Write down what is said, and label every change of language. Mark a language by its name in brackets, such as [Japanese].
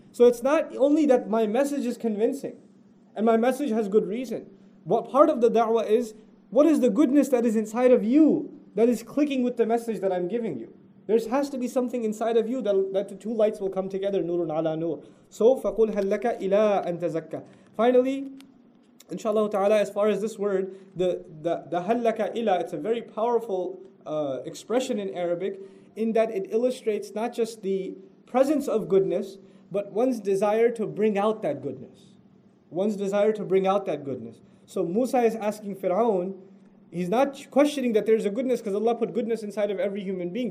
[English] So it's not only that my message is convincing and my message has good reason. What part of the da'wah is, what is the goodness that is inside of you that is clicking with the message that I'm giving you? There has to be something inside of you that the two lights will come together, [Arabic] nurun ala nur. [English] So, [Arabic] فَقُلْ هَلَّكَ إِلَىٰ أَن تَزَكَّى. [English] Finally, inshallah ta'ala, as far as this word, the هَلَّكَ إِلَىٰ, it's a very powerful expression in Arabic, in that it illustrates not just the presence of goodness, but one's desire to bring out that goodness. One's desire to bring out that goodness. So Musa is asking Fir'aun, he's not questioning that there's a goodness because Allah put goodness inside of every human being.